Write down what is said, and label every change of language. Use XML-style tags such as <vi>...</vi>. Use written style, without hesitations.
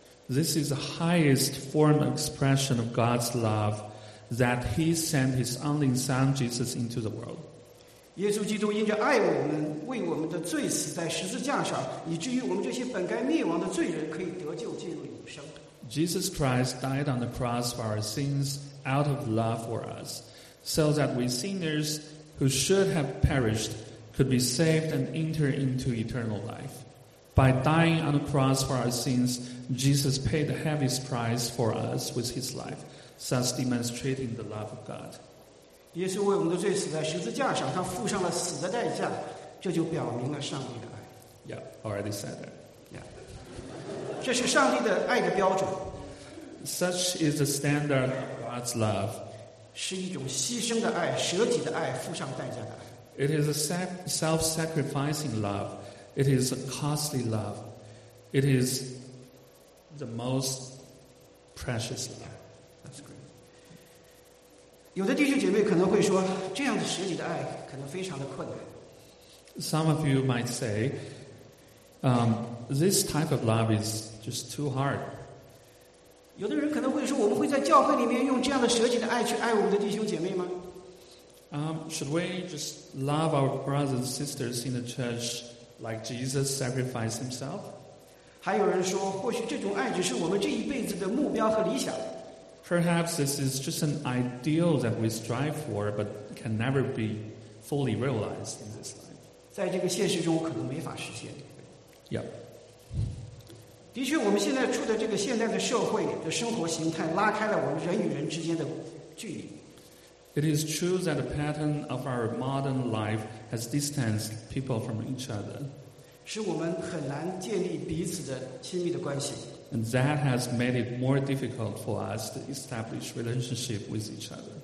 <en>This is the highest form of expression of God's love, that he sent his only son Jesus into the world.</en> <zh>耶稣基督因着爱我们，为我们的罪死在十字架上，以至于我们这些本该灭亡的罪人可以得救进入永生。</zh> <en>Jesus Christ died on the cross for our sins. Out of love for us, so that we sinners who should have perished could be saved and enter into eternal life. By dying on the cross for our sins, Jesus paid the heaviest price for us with his life, thus demonstrating the love of God. Yeah, already said that.</en> <zh>Yeah. 这是上帝的爱的标准。</zh> <en>Such is the standard of God's love.</en> <zh>是一种牺牲的爱，舍己的爱，付上代价的爱。</zh> <en>It is a self-sacrificing love. It is a costly love. It is the most precious love. That's great.</en> <zh>有的弟兄姐妹可能会说，这样的舍己的爱可能非常的困难。</zh> <en>Some of you might say, this type of love is just too hard.</en> <zh>有的人可能会说，我们会在教会里面用这样的舍己的爱去爱我们的弟兄姐妹吗？</zh> <en>Should we just love our brothers and sisters in the church like Jesus sacrificed himself?</en> <zh>还有人说，或许这种爱只是我们这一辈子的目标和理想。</zh> <en>Perhaps this is just an ideal that we strive for, but can never be fully realized in this life.</en> <zh>在这个现实中可能没法实现。</zh> <en>Yep.</en> <zh>的确，我们现在处的这个现代的社会的生活形态拉开了我们人与人之间的距离。</zh> <en>It is true that the pattern of our modern life has distanced people from each other.</en> <zh>使我们很难建立彼此的亲密的关系。</zh> <en>And that has made it more difficult for us to establish relationship with each other.</en>